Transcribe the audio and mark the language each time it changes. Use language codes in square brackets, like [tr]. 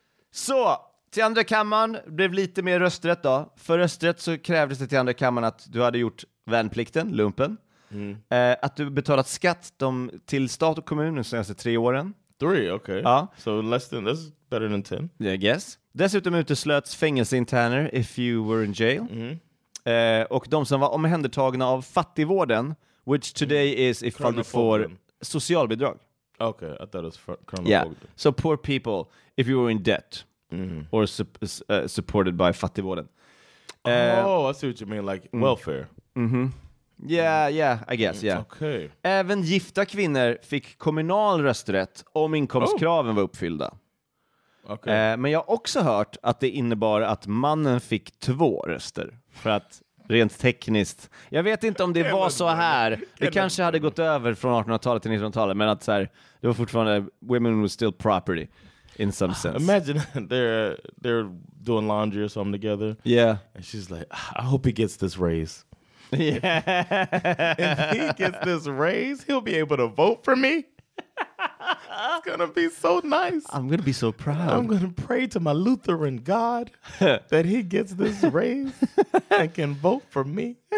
[sv] Så, till andra kammaren blev lite mer rösträtt då. För rösträtt så krävdes det till andra kammaren att du hade gjort värnplikten, lumpen. Mm. Att du betalat skatt till stat och kommun de senaste 3 åren. 3, okej. Ja. [en] So less than, that's better than 10. I guess. [sv] Dessutom uteslöts fängelseinterner [en] if you were in jail. Mm. [sv] Och de som var omhändertagna av fattigvården, [en] which today is if [sv] du får socialbidrag. [en] Okay, I thought it was kronofogden. Yeah, so poor people, if you were in debt. Mm-hmm. Or supported by fattigvården. Oh, I see what you mean, like welfare. Mm-hmm. Yeah, I guess, yeah. Okay. [sv] Även gifta kvinnor fick kommunal rösträtt om inkomstkraven var uppfyllda. [en] Okay. [sv] Men jag har också hört att det innebar att mannen fick 2 röster. För att rent tekniskt, jag vet inte om det var så här. Det kanske hade gått över från 1800-talet till 1900-talet, men att så här, det var fortfarande, [en] women were still property. In some sense. Imagine they're doing laundry or something together. Yeah. And she's like, I hope he gets this raise. Yeah. If he gets this raise, he'll be able to vote for me. It's going to be so nice. I'm going to be so proud. I'm going to pray to my Lutheran God that he gets this raise and can vote for me.